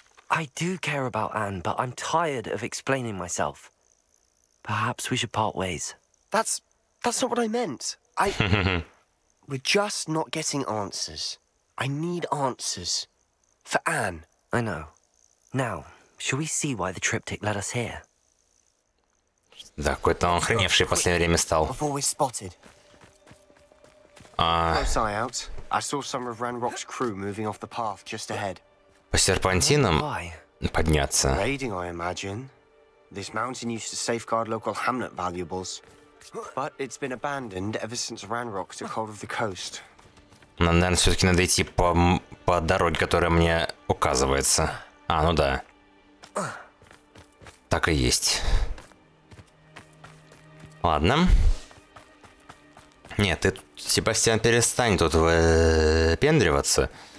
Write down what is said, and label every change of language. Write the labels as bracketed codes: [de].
[en] I do care about Anne, but I'm tired of explaining myself. Perhaps we should part ways. That's not what I meant. I... We're just not getting answers. I need answers. For Anne. I know. Now, should we see why the triptych led us here? [ru] Да, какой-то он охреневший в последнее время стал. [en] Before we spotted. Close eye out. I saw some of Ranrok's crew moving off the path just ahead. [ru] По серпантинам подняться. [en] This mountain used to safeguard local hamlet valuables, but it's been abandoned ever since Ranrok took hold of the coast. [ru] Нам, наверное, все-таки надо идти по дороге, которая мне указывается. А, ну да. Так и есть. Ладно. Нет, ты, Себастьян, перестань тут выпендриваться.